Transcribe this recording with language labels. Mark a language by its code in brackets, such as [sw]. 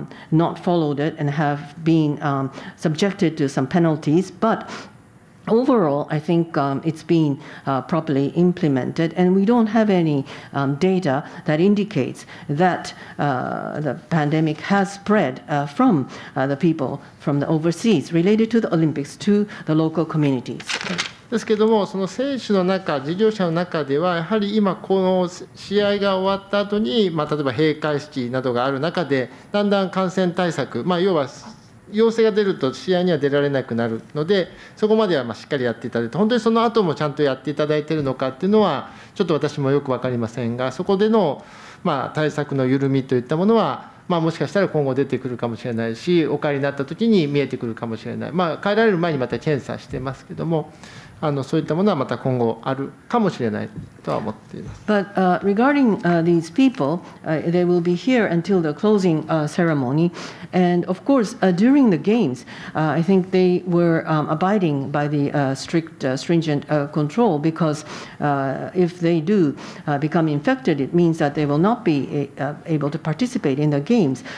[en] not followed it and have been subjected to some penalties, butOverall, I think it's been properly implemented, and we don't have any data that indicates that the pandemic has spread from the people from the overseas related to the Olympics to the local communities. [ja] ですけども、その選手の中、事業者の中では、やはり今この試合が終わった後に、例えば閉会式などがある中で、だんだん感染対策、要は陽性が出ると試合には出られなくなるので、そこまではしっかりやっていただいて、本当にその後もちゃんとやっていただいているのかというのはちょっと私もよく分かりませんが、そこでの対策の緩みといったものは、もしかしたら今後出てくるかもしれないし、お帰りになったときに見えてくるかもしれない、帰られる前にまた検査してますけども、そういったものはまた今後あるかもしれないとは思っています。 [en] But regarding these people, they will be here until the closing ceremony. And of course, during the games, I think they were abiding by the stringent control, because if they do become infected, it means that they will not be able to participate in the games.